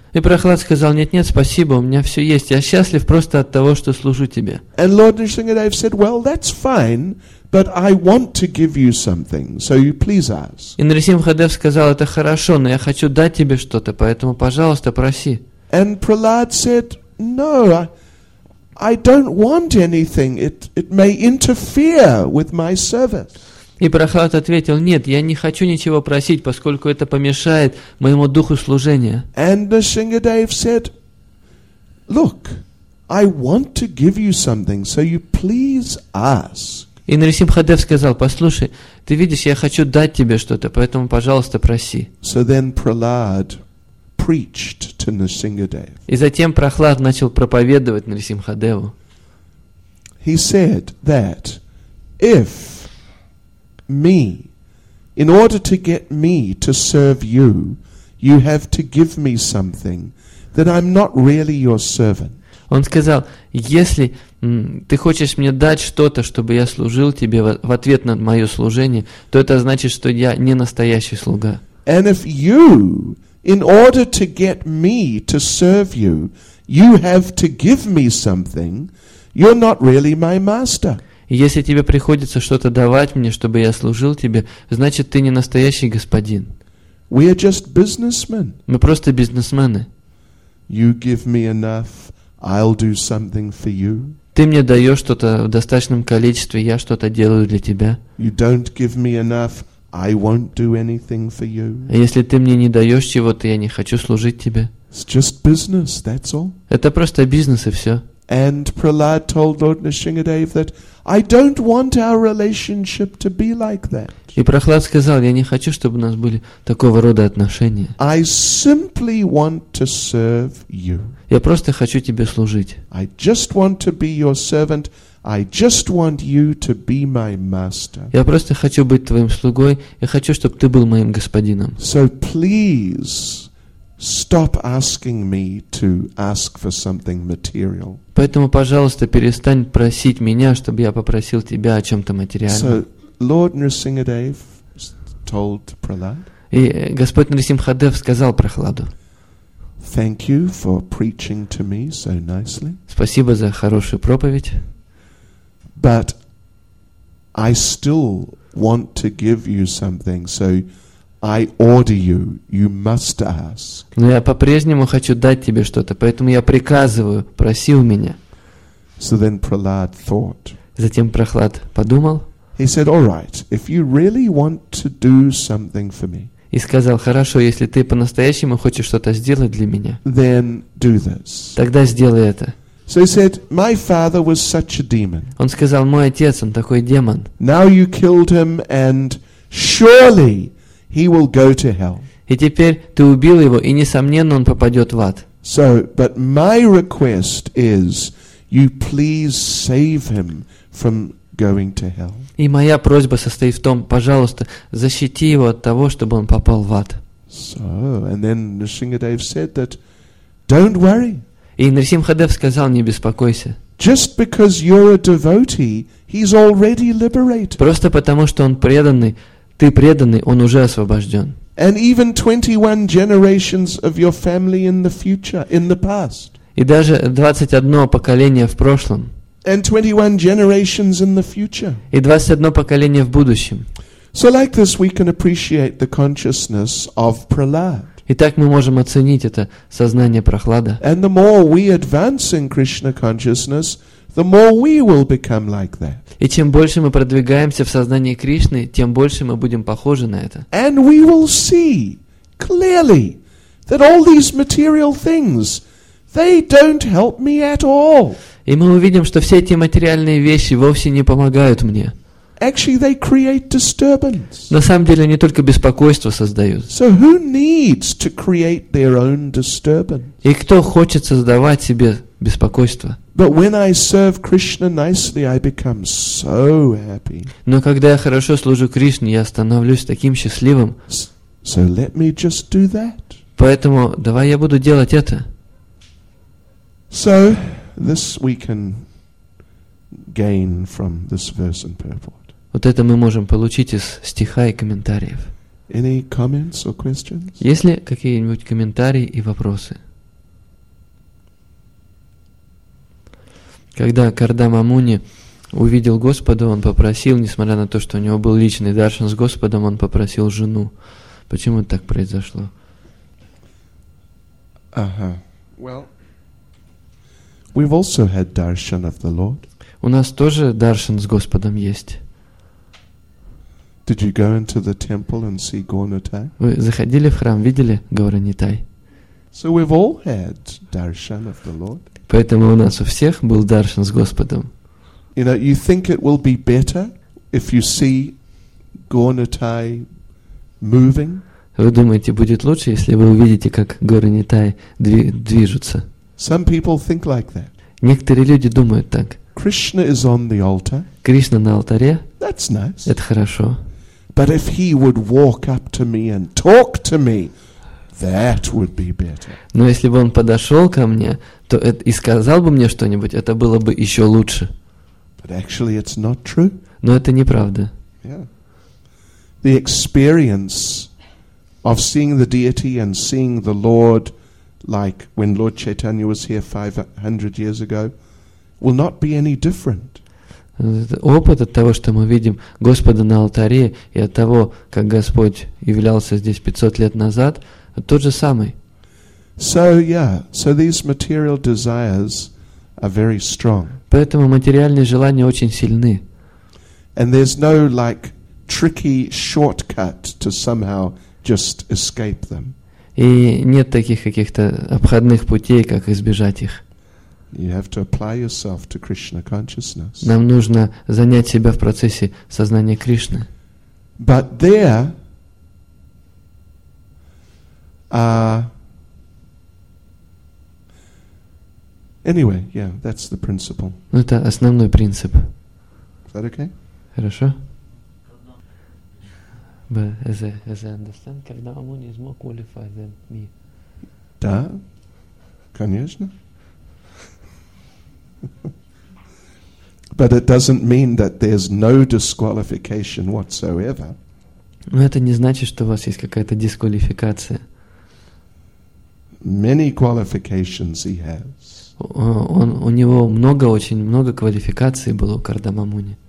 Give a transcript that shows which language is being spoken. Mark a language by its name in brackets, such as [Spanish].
[Russian] И Прохлад сказал: "Нет, спасибо, у меня все есть. Я счастлив просто от того, что служу тебе." [English] And Lord Nrisimhadev said, "Well, that's fine. But I want to give you something, so you please ask." [Russian] И Нрисимхадев сказал: "Это хорошо, но я хочу дать тебе что-то, поэтому, пожалуйста, проси." [English] And Prahlad said, "No, I don't want anything. It may interfere with my service." [Russian] И Прохлад ответил: "Нет, я не хочу ничего просить, поскольку это помешает моему духу служения." [English] And Нрисимхадев said, "Look, I want to give you something, so you please ask." [Russian] И Нарисимхадев сказал: "Послушай, ты видишь, я хочу дать тебе что-то, поэтому, пожалуйста, проси." [English] So then Prahlad preached to Nrisimhadev. [Russian] И затем Прохлад начал проповедовать Нарисимхадеву. [English] He said that if me, in order to get me to serve you, you have to give me something, then I'm not really your servant. [Russian] Он сказал: "Если ты хочешь мне дать что-то, чтобы я служил тебе в ответ на мое служение, то это значит, что я не настоящий слуга." [English] And if you, in order to get me to serve you, you have to give me something, you're not really my master. [Russian] Если тебе приходится что-то давать мне, чтобы я служил тебе, значит, ты не настоящий господин. [English] We are just businessmen. [Russian] Мы просто бизнесмены. [English] You give me enough, I'll do something for you. [Russian] Ты мне даешь что-то в достаточном количестве, я что-то делаю для тебя. [English] You don't give me enough, I won't do anything for you. [Russian] Если ты мне не даешь чего-то, я не хочу служить тебе. [English] It's just business, that's all. [Russian] Это просто бизнес и все. [English] And Prahlad told Lord Nrisimhadev that I don't want our relationship to be like that. [Russian] И Прохлад сказал, я не хочу, чтобы у нас были такого рода отношения. [English] I simply want to serve you. [Russian] Я просто хочу тебе служить. [English] I just want to be your servant. I just want you to be my master. [Russian] Я просто хочу быть твоим слугой. Я хочу, чтобы ты был моим господином. [English] So please stop asking me to ask for something material. [Russian] Поэтому, пожалуйста, перестань просить меня, чтобы я попросил тебя о чем-то материальном. [English] So Lord Nrisimhadev told Prahlad. [Russian] И Господь Нрисимхадев сказал Прохладу. [English] Thank you for preaching to me so nicely. [Russian] Спасибо за хорошую проповедь. [English] But I still want to give you something, so I order you, you must ask. [Russian] Но я по-прежнему хочу дать тебе что-то, поэтому я приказываю, проси у меня. [English] So then Prahlad thought. [Russian] Затем Прохлад подумал. [English] He said, "All right, if you really want to do something for me." [Russian] И сказал: "Хорошо, если ты по-настоящему хочешь что-то сделать для меня." [English] Then do this. [Russian] Тогда сделай это. [English] So he said, "My father was such a demon." [Russian] Он сказал: "Мой отец, он такой демон." [English] Now you killed him and surely he will go to hell. [Russian] И теперь ты убил его, и несомненно он попадет в ад. [English] So, but my request is, you please save him from going to hell. [Russian] И моя просьба состоит в том, пожалуйста, защити его от того, чтобы он попал в ад. [English] So, and then Nrisimhadev said that, don't worry. [Russian] И Нрисимхадев сказал, не беспокойся. [English] Just because you're a devotee, he's already liberated. [Russian] Просто потому, что он преданный. Ты преданный, он уже освобожден. [English] And even 21 generations of your family in the future, in the past. [Russian] И даже 21 поколение в прошлом. [English] And 21 generations in the future. [Russian] И 21 поколение в будущем. [English] So like this we can appreciate the consciousness of Prahlad. [Russian] И так мы можем оценить это сознание Прохлада. [English] And the more we advance in Krishna consciousness, the more we will become like that. [Russian] И чем больше мы продвигаемся в сознании Кришны, тем больше мы будем похожи на это. [English] And we will see clearly that all these material things, they don't help me at all. [Russian] И мы увидим, что все эти материальные вещи вовсе не помогают мне. [English] Actually, they create disturbance. [Russian] На самом деле, они только беспокойство создают. [English] So who needs to create their own disturbance? [Russian] И кто хочет создавать себе беспокойство? [English] But when I serve Krishna nicely, I become so happy. [Russian] Но когда я хорошо служу Кришне, я становлюсь таким счастливым. [English] So let me just do that. [Russian] Поэтому давай я буду делать это. [English] So this we can gain from this verse and purport. [Russian] Вот это мы можем получить из стиха и комментариев. [English] Any comments or questions? [Russian] Есть ли какие-нибудь комментарии и вопросы? Когда Кардама Муни увидел Господа, он попросил, несмотря на то, что у него был личный даршан с Господом, он попросил жену. Почему это так произошло? Ага. [English] Well, we've also had darshan of the Lord. [Russian] У нас тоже даршан с Господом есть. [English] Did you go into the temple and see Gaur-Nitai? [Russian] Вы заходили в храм, видели Гаур-Нитай? [English] So we've all had darshan of the Lord. [Russian] Поэтому у нас у всех был даршан с Господом. [English] You know, you think it will be better if you see Gaur-Nitai moving? [Russian] Вы думаете, будет лучше, если вы увидите, как Гаур-Нитай движутся? [English] Some people think like that. [Russian] Некоторые люди думают так. [English] Krishna is on the altar. [Russian] Кришна на алтаре. [English] That's nice. [Russian] Это хорошо. [English] But if he would walk up to me and talk to me, that would be better. [Russian] Но если бы он подошел ко мне, то и сказал бы мне что-нибудь, это было бы еще лучше. [English] But actually it's not true. [Russian] Но это неправда. [English] Yeah. The experience of seeing the deity and seeing the Lord, like when Lord Chaitanya was here 500 years ago, will not be any different. [Russian] опыт от того, что мы видим Господа на алтаре, и от того, как Господь являлся здесь 500 лет назад, тот же самый. [English] So, yeah. So these material desires are very strong. [Russian] Поэтому материальные желания очень сильны. [English] And there's no like tricky shortcut to somehow just escape them. [Russian] И нет таких каких-то обходных путей, как избежать их. [English] You have to apply yourself to Krishna consciousness. [Russian] Нам нужно занять себя в процессе сознания Кришны. [English] But there, anyway, yeah, that's the principle. [Russian] Ну это основной принцип. [English] Is that okay? [Russian] Хорошо. [English] But as I understand, Karna Muni is more qualified than me. [Russian] Да, конечно. [English] But it doesn't mean that there's no disqualification whatsoever. [Russian] Но это не значит, что у вас есть какая-то дисквалификация. [English] Many qualifications he has. [Russian] У него много, очень много квалификаций было у Кардама Муни.